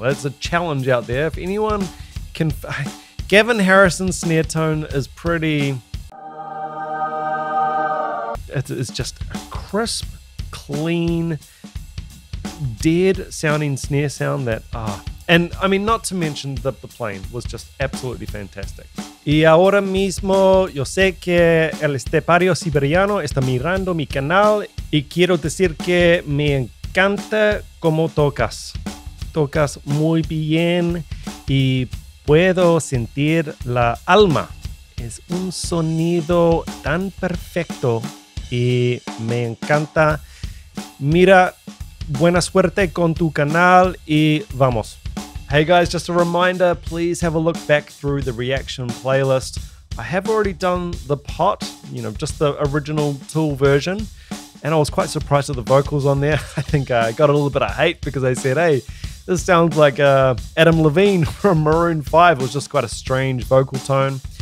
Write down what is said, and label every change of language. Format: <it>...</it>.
<en>That's a challenge out there. If anyone can, Gavin Harrison's snare tone is pretty, it's just a crisp, clean, dead sounding snare sound that, and I mean, not to mention that the plane was just absolutely fantastic.</en> <es>Y ahora mismo, yo sé que el Estepario Siberiano está mirando mi canal y quiero decir que me encanta cómo tocas. Tocas muy bien y puedo sentir la alma. Es un sonido tan perfecto y me encanta. Mira, buena suerte con tu canal y vamos.</es> <en>Hey guys, just a reminder, please have a look back through the reaction playlist. I have already done the pot, you know, just the original Tool version, and I was quite surprised at the vocals on there. I think I got a little bit of hate because I said, hey, this sounds like Adam Levine from Maroon 5. It was just quite a strange vocal tone.</en>